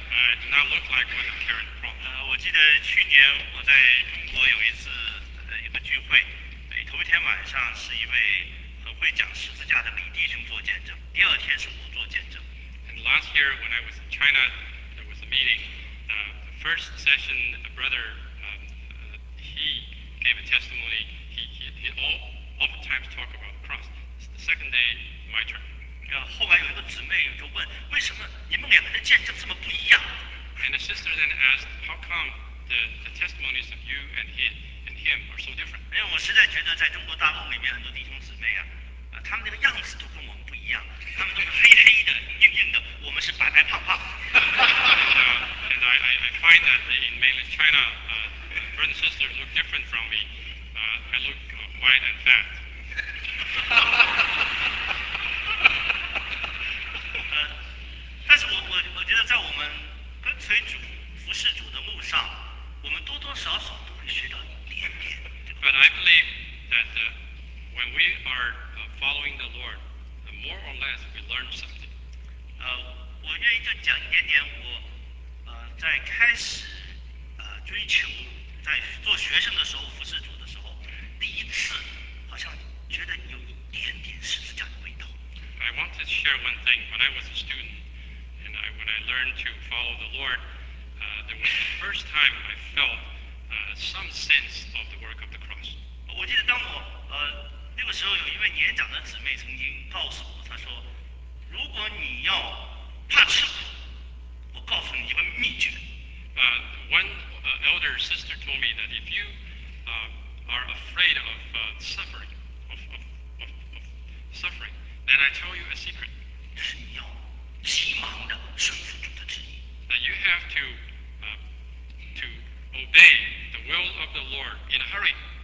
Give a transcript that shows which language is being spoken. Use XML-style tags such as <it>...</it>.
<en>I do not look like one of Karen's problems.</en> <zh>我记得去年我在中国有一次一个聚会，对，头一天晚上是一位很会讲十字架的李弟兄做见证，第二天是我做见证。</zh> <en>And last year when I was in China, there was a meeting. The first session, a brother, he gave a testimony. He oftentimes talk about the cross. The second day. My turn.</en> <zh>后来有一个姊妹就问，为什么你们两个的见证这么不一样？</zh> <en>And the sister then asked, how come the testimonies of you and him are so different?</en> <zh>因为我实在觉得在中国大陆里面很多弟兄姊妹啊，他们那个样子都跟我们不一样，他们都是黑黑的、硬硬的，我们是白白胖胖。</zh> <en>And I find that in mainland China, brothers and sisters look different from me. I look white and fat.</en> <zh>但是我觉得在我们跟随主、服侍主的路上，我们多多少少都会学到一点点。</zh> <en>But I believe that when we are following the Lord, more or less we learn something.</en> <zh>我愿意就讲一点点我在开始追求在做学生的时候服侍主的时候，第一次好像觉得有一点点十字架的味道。</zh> <en>I want to share one thing. When I was a student. When I learned to follow the Lord, there was the first time I felt some sense of the work of the cross.</en> <zh>我记得当我那个时候有一位年长的姊妹曾经告诉我，她说，如果你要怕吃苦，我告诉你一个秘诀。</zh> <en>One elder sister told me that if you are afraid of suffering, of suffering, then I tell you a secret. That you have to obey the will of the Lord in a hurry.</en>